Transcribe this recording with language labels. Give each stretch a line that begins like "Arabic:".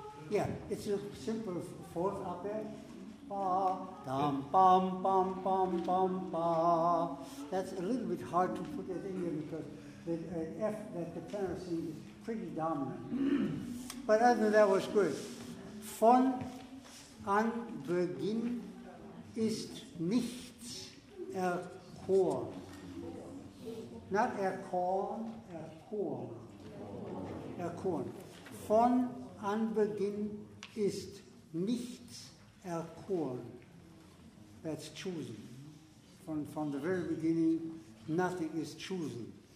English: Yeah, it's a simple fourth up there. Bum, bum, bum, bum, bum, bum. That's a little bit hard to put it in here because the F that the tenor sings is pretty dominant. But I think that was good.
German: Von an Beginn ist nichts erkoren.
English: Not erkoren, erkoren. Erkoren.
German: Von an Beginn ist nichts erkoren.
English: That's chosen. From the very beginning, nothing is chosen.